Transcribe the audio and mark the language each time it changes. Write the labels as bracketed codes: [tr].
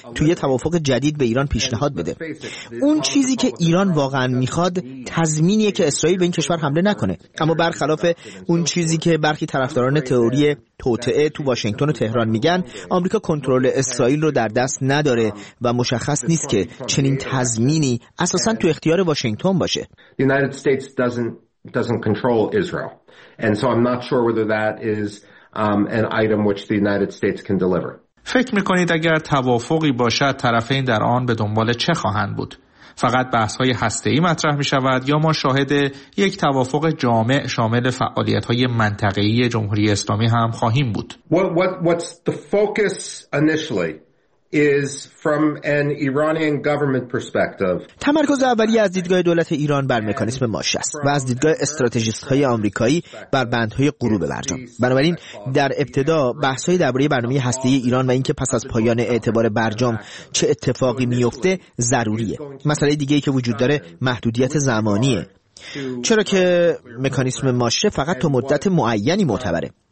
[fa] توی توافق جدید به ایران پیشنهاد بده. اون چیزی که ایران واقعا میخواد تضمینیه که اسرائیل به این کشور حمله نکنه. اما برخلاف اون چیزی که برخی طرفداران تئوری توطئه تو واشنگتن و تهران میگن، آمریکا کنترل اسرائیل رو در دست نداره و مشخص نیست که چنین تضمینی اساسا تو اختیار واشنگتن باشه. [en] doesn't control Israel. And so I'm not sure whether that is an item which the United States can deliver. [fa] فکر میکنید اگر توافقی باشد طرفین در آن به دنبال چه خواهند بود؟ فقط بحث‌های هسته‌ای مطرح می‌شود یا ما شاهد یک توافق جامع شامل فعالیت‌های منطقه‌ای جمهوری اسلامی هم خواهیم بود؟ [en] What's the focus initially? Is from an Iranian government perspective. [fa] تمرکز اولی از دیدگاه دولت ایران بر مکانیسم ماش است و از دیدگاه استراتژیست‌های آمریکایی بر بندهای غروب برجام. بنابراین در ابتدا بحث‌های درباره برنامه هسته‌ای ایران و اینکه پس از پایان اعتبار برجام چه اتفاقی می‌افته ضروریه. مسئله دیگه‌ای که وجود داره محدودیت زمانیه. چرا که مکانیسم ماشه فقط تا مدت معینی معتبره.